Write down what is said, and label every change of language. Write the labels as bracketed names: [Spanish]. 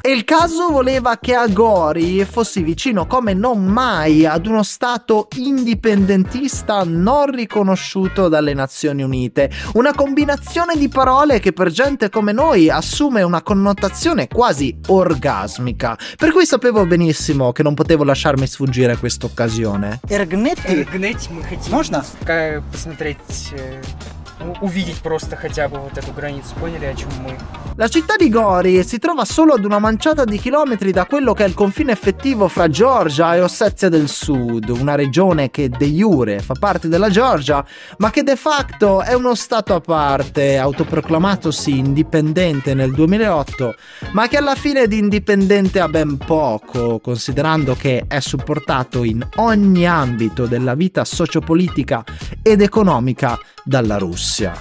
[Italian] E il caso voleva che a Gori fossi vicino come non mai ad uno stato indipendentista non riconosciuto dalle Nazioni Unite. Una combinazione di parole che per gente come noi assume una connotazione quasi orgasmica. Per cui sapevo benissimo che non potevo lasciarmi sfuggire questa occasione. [Russian] Ergneti? Ergneti, мы хотим. Можно? Посмотреть... увидеть просто хотя бы вот эту границу, поняли о чем мы? [Italian] La città di Gori si trova solo ad una manciata di chilometri da quello che è il confine effettivo fra Georgia e Ossetia del Sud, una regione che de jure fa parte della Georgia, ma che de facto è uno stato a parte, autoproclamatosi indipendente nel 2008, ma che alla fine di indipendente ha ben poco, considerando che è supportato in ogni ambito della vita sociopolitica ed economica dalla Russia.